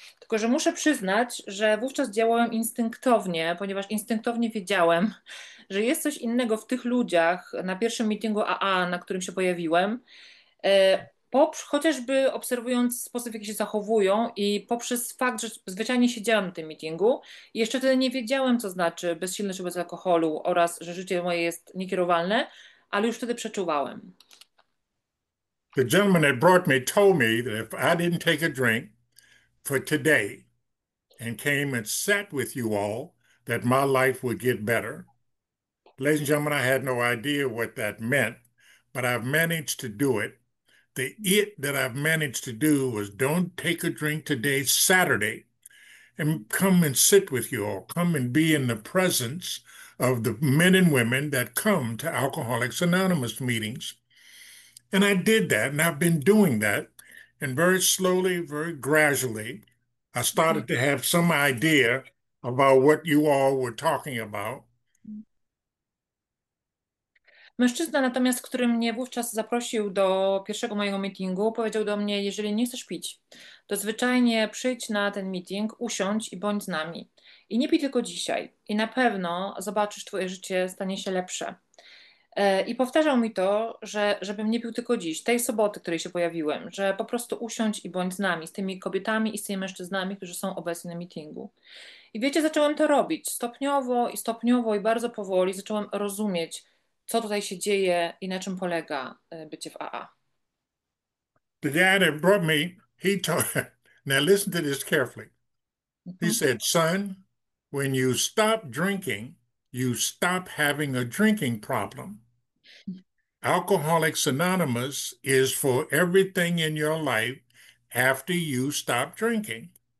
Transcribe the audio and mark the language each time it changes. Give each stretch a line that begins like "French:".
Polish: Tylko że muszę przyznać, że wówczas działałem instynktownie, ponieważ instynktownie wiedziałem, że jest coś innego w tych ludziach na pierwszym meetingu AA, na którym się pojawiłem, chociażby obserwując sposób, w jaki się zachowują i poprzez fakt, że zwyczajnie siedziałem na tym meetingu i jeszcze wtedy nie wiedziałem, co znaczy bezsilność wobec alkoholu oraz że życie moje jest niekierowalne, ale już wtedy przeczuwałem.
English: The gentleman that brought me told me that if I didn't take a drink for today and came and sat with you all, that my life would get better. Ladies and gentlemen, I had no idea what that meant, but I've managed to do it. The it that I've managed to do was don't take a drink today, Saturday, and come and sit with you all, come and be in the presence of the men and women that come to Alcoholics Anonymous meetings. And I did that, and I've been doing that. And very slowly, very gradually, I started to have some idea about what you all were talking about.
Polish: Mężczyzna natomiast, który mnie wówczas zaprosił do pierwszego mojego meetingu, powiedział do mnie: jeżeli nie chcesz pić, to zwyczajnie przyjdź na ten meeting, usiądź i bądź z nami. I nie pij tylko dzisiaj. I na pewno zobaczysz, twoje życie stanie się lepsze. I powtarzał mi to, żebym nie pił tylko dziś, tej soboty, której się pojawiłem, że po prostu usiądź i bądź z nami, z tymi kobietami i z tymi mężczyznami, którzy są obecni na meetingu. I wiecie, zacząłem to robić stopniowo i bardzo powoli zacząłem rozumieć, co tutaj się dzieje i na czym polega bycie w AA.
English: The guy that brought me, he told, now listen to this carefully. He said, son, when you stop drinking, you stop having a drinking problem. Alcoholics Anonymous is for everything in your life after you stop drinking.